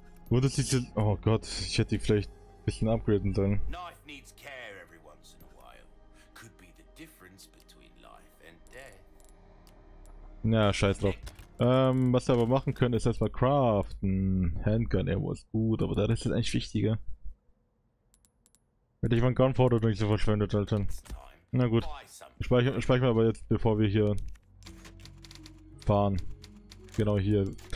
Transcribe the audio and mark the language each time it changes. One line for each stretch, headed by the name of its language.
German: Wurde sie zu. Oh Gott, ich hätte die vielleicht ein bisschen upgraden sollen.
English: Knife needs care every once in a while. Could be the difference between life and death.
German: Na, scheiß drauf. Was wir aber machen können, ist erstmal craften. Handgun Ammo ist gut, aber da ist es eigentlich wichtiger. Hätte ich mein Gunpowder nicht so verschwendet, Alter. Na gut. Speichern wir aber jetzt, bevor wir hier fahren. Genau hier.